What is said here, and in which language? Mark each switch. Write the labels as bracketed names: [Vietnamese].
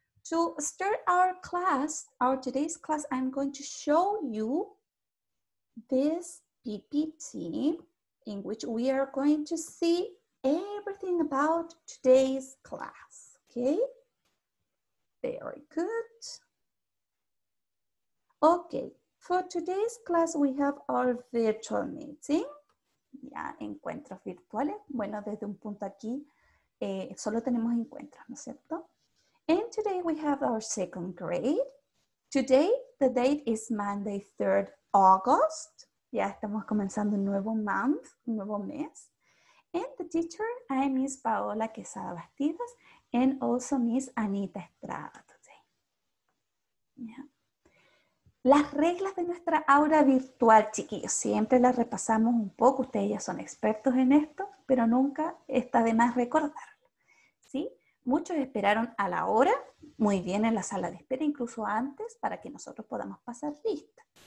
[English] To start our class, our today's class, I'm going to show you this PPT in which we are going to see everything about today's class. Okay? Very good. Okay, for today's class, we have our virtual meeting. [Spanish] Ya, encuentros virtuales. Bueno, desde un punto aquí, solo tenemos encuentros, ¿no es cierto? [English] And today we have our second grade. Today, the date is Monday, 3rd August. [Spanish] Ya estamos comenzando un nuevo month, un nuevo mes. [English] And the teacher, I am Miss Paola Quesada Bastidas and also Miss Anita Estrada today. Yeah. [Spanish] Las reglas de nuestra aula virtual, chiquillos, siempre las repasamos un poco. Ustedes ya son expertos en esto, pero nunca está de más recordarlo. ¿Sí? Muchos esperaron a la hora, muy bien en la sala de espera, incluso antes, para que nosotros podamos pasar lista.